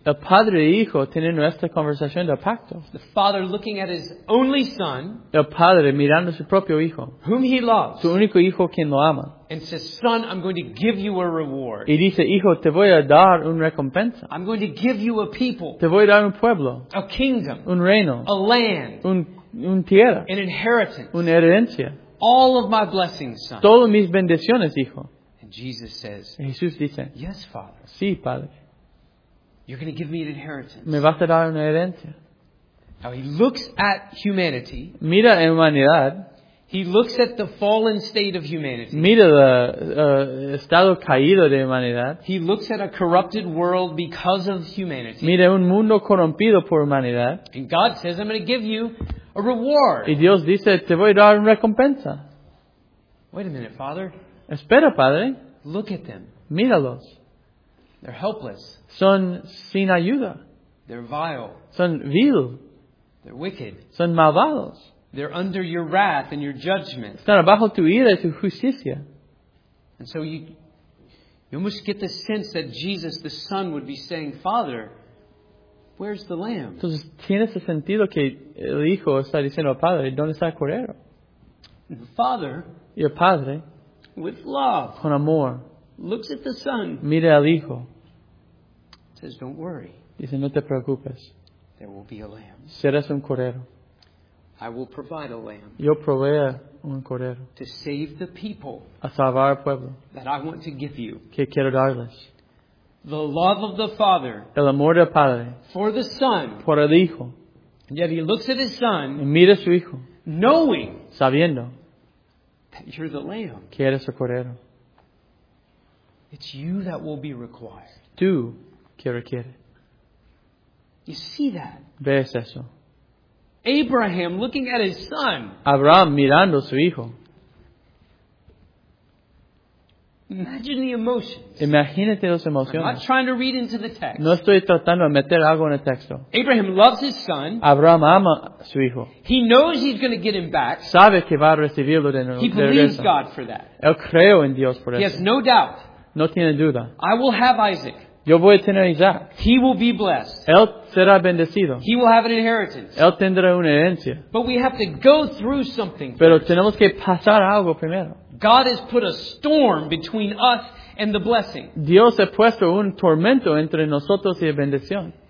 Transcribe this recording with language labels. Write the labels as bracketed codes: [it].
[es] El padre y hijo teniendo esta conversación del pacto. [en] The father looking at his only son. [es] El padre mirando a su propio hijo. [en] Whom he loves. [es] Su único hijo quien lo ama. [en] And says, son, I'm going to give you a reward. [es] Y dice, hijo, te voy a dar una recompensa. [en] I'm going to give you a people. [es] Te voy a dar un pueblo. [en] A kingdom. [es] Un reino. [en] A land. [es] Un tierra. [en] An inheritance. [es] Una herencia. [en] All of my blessings, son. [es] Todas mis bendiciones, hijo. [en] Jesus says, [es] Jesús dice, [en] yes, Father. [es] Sí, Padre. [en] You're going to give me an inheritance. [es] Me vas a dar una herencia. [en] Now he looks at humanity. [es] Mira la humanidad. [en] He looks at the fallen state of humanity. [es] Mira el estado caído de humanidad. [en] He looks at a corrupted world because of humanity. [es] Mira un mundo corrompido por humanidad. [en] And God says, I'm going to give you a reward. [es] Y Dios dice, te voy a dar una recompensa. [en] Wait a minute, Father. [es] Espera, Padre. [en] Look at them. [es] Míralos. [en] They're helpless. [es] Son sin ayuda. [en] They're vile. [es] Son vil. [en] They're wicked. [es] Son malvados. [en] They're under your wrath and your judgment. [es] Están bajo tu ira y tu justicia. [en] And so you almost get the sense that Jesus, the Son, would be saying, Father, where's the lamb? [es] Entonces tienes el sentido que el Hijo está diciendo al Padre, ¿dónde está el cordero? [en] The Father. [es] Y el Padre. [en] With love. [es] Con amor. [en] Looks at the son. [es] Mira al hijo. [en] Says, don't worry. [es] Dice, no te preocupes. [en] There will be a lamb. [es] Serás un cordero. [en] I will provide a lamb. [es] Yo proveeré un cordero. [en] To save the people. [es] A salvar al pueblo. [en] That I want to give you. [es] Que quiero darles. [en] The love of the father. [es] El amor del padre. [en] For the son. [es] Por el hijo. [en] And yet he looks at his son. [es] Y mira a su hijo. [en] Knowing. [es] Sabiendo. [en] You're the lamb. [es] ¿Quieres el cordero? [en] He It's you that will be required. [es] Tú que requiere. [en] You see that? [es] ¿Ves eso? [en] Abraham looking at his son. [es] Abraham mirando su hijo. [en] Imagine the emotions. [es] Imagínate las emociones. [en] I'm not trying to read into the text. [es] No estoy tratando de meter algo en el texto. [en] Abraham loves his son. [es] Abraham ama su hijo. [en] He knows he's going to get him back. [es] Sabe que va a recibirlo de nuevo. [en] He believes God for that. [es] Él creo en Dios por eso. [en] He has no doubt. [es] No tiene duda. [en] I will have Isaac. [es] Yo voy a tener a Isaac. [en] He will be blessed. [es] Él será bendecido. [en] He will have an inheritance. [es] Él tendrá una herencia. [en] But we have to go through something. [es] Pero tenemos que pasar algo primero. [en] God has put a storm between us and the blessing. [es] Dios ha puesto un tormento entre nosotros y la bendición.